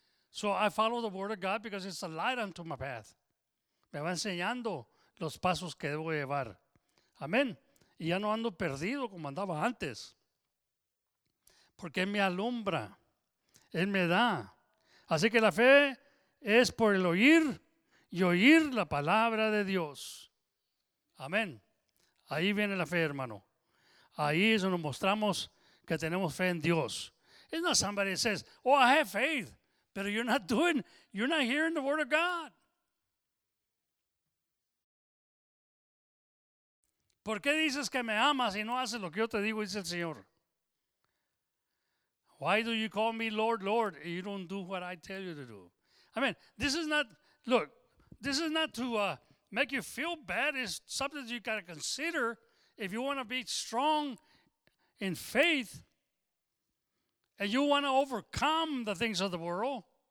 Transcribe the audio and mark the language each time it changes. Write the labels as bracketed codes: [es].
[en] So I follow the word of God because it's a light unto my path. [es] Me va enseñando los pasos que debo llevar. Amén. Y ya no ando perdido como andaba antes. Porque me alumbra. Él me da. Así que la fe es por el oír y oír la palabra de Dios. Amén. Ahí viene la fe, hermano. Ahí es donde mostramos que tenemos fe en Dios. [en] It's not somebody that says, oh, I have faith. But you're not hearing the word of God. [es] ¿Por qué dices que me amas y no haces lo que yo te digo, dice el Señor? [en] Why do you call me Lord, Lord, and you don't do what I tell you to do? I mean, this is not to make you feel bad. It's something you got to consider if you want to be strong in faith and you want to overcome the things of the world.